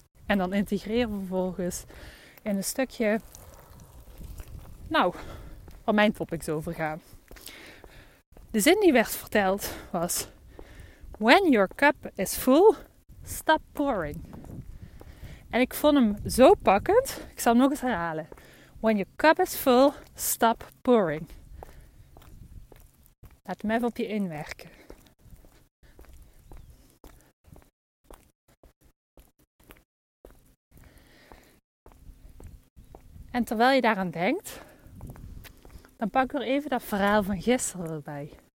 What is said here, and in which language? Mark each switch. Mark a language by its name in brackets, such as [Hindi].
[Dutch] En dan integreren we vervolgens in een stukje, nou, waar mijn topics over gaan. De zin die werd verteld was, [English] when your cup is full, stop pouring. [Dutch] En ik vond hem zo pakkend. Ik zal hem nog eens herhalen. [English] When your cup is full, stop pouring. [Dutch] Laat hem even op je inwerken. En terwijl je daaraan denkt, dan pak ik er even dat verhaal van gisteren erbij.